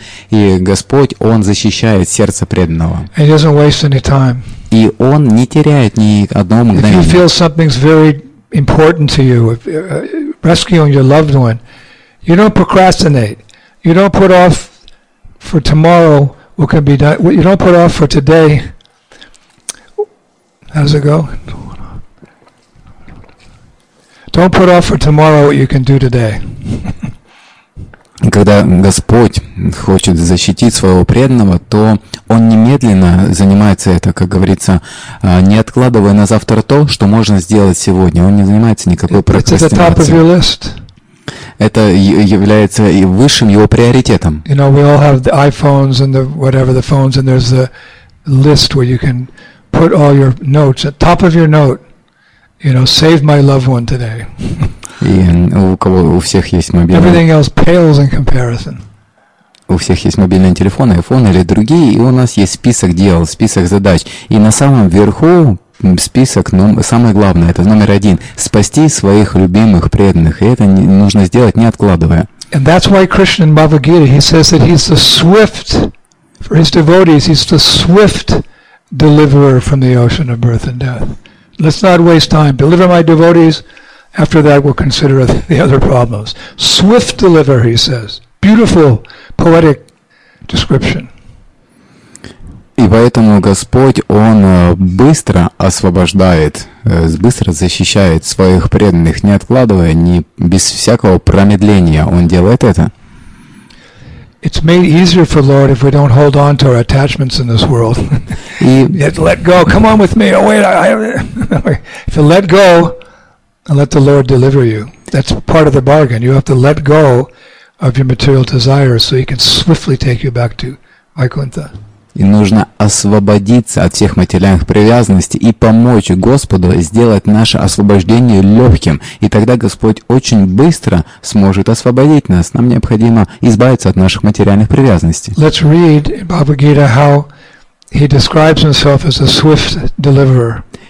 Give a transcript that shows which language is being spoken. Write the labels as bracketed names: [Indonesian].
[Russian] И Господь, Он защищает сердце преданного. [English] And he doesn't waste any time. [Russian] И Он не теряет ни одного мгновения. [English] If you feel something's very important to you, if, rescuing your loved one, you don't procrastinate. You don't put off for tomorrow what can be done. You don't put off for today. How does it go? Don't put off for tomorrow what you can do today. [Russian] Когда Господь хочет защитить своего преданного, то Он немедленно занимается это, как говорится, не откладывая на завтра то, что можно сделать сегодня. Он не занимается никакой прокрастинацией. Это является и высшим его приоритетом. [English] You know, we all have the iPhones and the whatever the phones, and there's a list where you can put all your notes at top of your note. You know, save my loved one today. [Russian] И у кого у всех есть мобильный. [English] Everything else pales in comparison. [Russian] У всех есть мобильные телефоны, iPhone или другие, и у нас есть список дел, список задач. И на самом верху список, ну, самое главное, это номер один. Спасти своих любимых преданных. И это нужно сделать, не откладывая. [English] And that's why Krishna in Bhagavad Gita, he says that he's the swift, for his devotees, he's the swift deliverer from the ocean of birth and death. Let's not waste time. Deliver my devotees. After that, we'll consider the other problems. Swift deliver, he says. Beautiful, poetic description. [Russian] И поэтому Господь, Он быстро освобождает, быстро защищает своих преданных, не откладывая, ни без всякого промедления. Он делает это. [English] It's made easier for the Lord if we don't hold on to our attachments in this world. [Russian] И... [English] You have to let go. Come on with me. Oh, wait. If you let go... And let the Lord deliver you. That's part of the bargain. You have to let go of your material desires so He can swiftly take you back to Vaikuntha. [Russian] И нужно освободиться от всех материальных привязанностей и помочь Господу сделать наше освобождение легким. И тогда Господь очень быстро сможет освободить нас. Нам необходимо избавиться от наших материальных привязанностей. [English] Let's read Bhagavad Gita how He describes Himself as a swift deliverer.